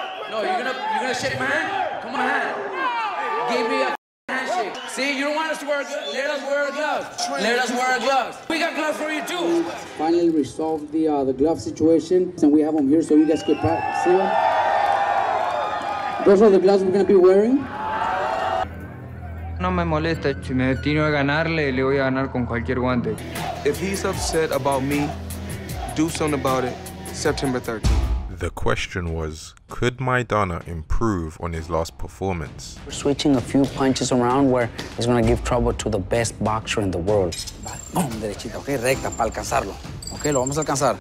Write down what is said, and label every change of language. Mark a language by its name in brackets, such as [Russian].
[English] No, you're gonna shake my hand? Come on, hand. Give me a handshake. See, you don't want us to wear gloves. Let us wear gloves. Let us wear gloves. We got gloves for you too. Finally resolved the glove situation, and we have them here so you guys can see them. Those are the gloves we're gonna be wearing. [Spanish] No me molesta, si me destino a ganarle, le voy a ganar con cualquier guante. [English] If he's upset about me, do something about it, September 13th. The question was, could Maidana improve on his last performance? We're switching a few punches around where he's gonna give trouble to the best boxer in the world. [Spanish] Boom, derechita, okay, recta, para alcanzarlo. Okay, lo vamos a alcanzar.